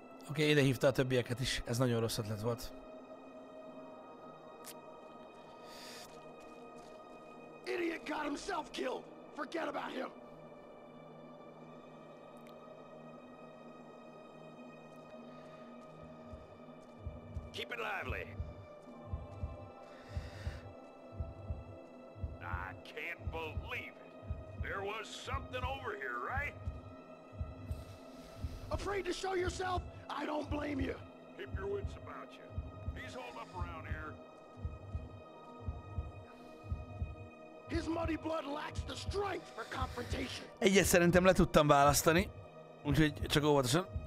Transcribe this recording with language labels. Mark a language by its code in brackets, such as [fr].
[hu] Oké, ide hívta a többieket is. Ez nagyon rossz ötlet volt. [en] Idiot got himself killed. Forget about him. Keep it lively. I can't believe it. There was something over here, right? Afraid to show yourself? I don't blame you. Keep your wits about you. He's holed up around here. His muddy blood lacks the strength for confrontation. [hu] Egyet szerintem le tudtam választani, úgyhogy csak óvatosan.